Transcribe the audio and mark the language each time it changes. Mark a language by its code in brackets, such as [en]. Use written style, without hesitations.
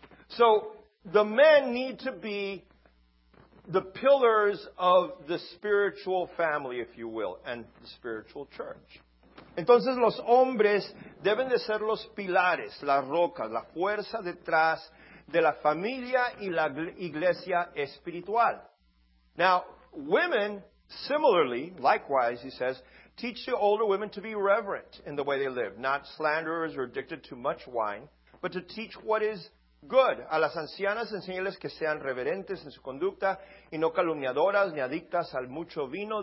[en] So, the men need to be the pillars of the spiritual family, if you will, and the spiritual church. [es] Entonces, los hombres deben de ser los pilares, las rocas, la fuerza detrás de la familia y la iglesia espiritual. [en] Now, women, similarly, likewise, he says, teach the older women to be reverent in the way they live, not slanderers or addicted to much wine, but to teach what is good. [es] A las ancianas, enséñales que sean reverentes en su conducta y no calumniadoras ni adictas al mucho vino.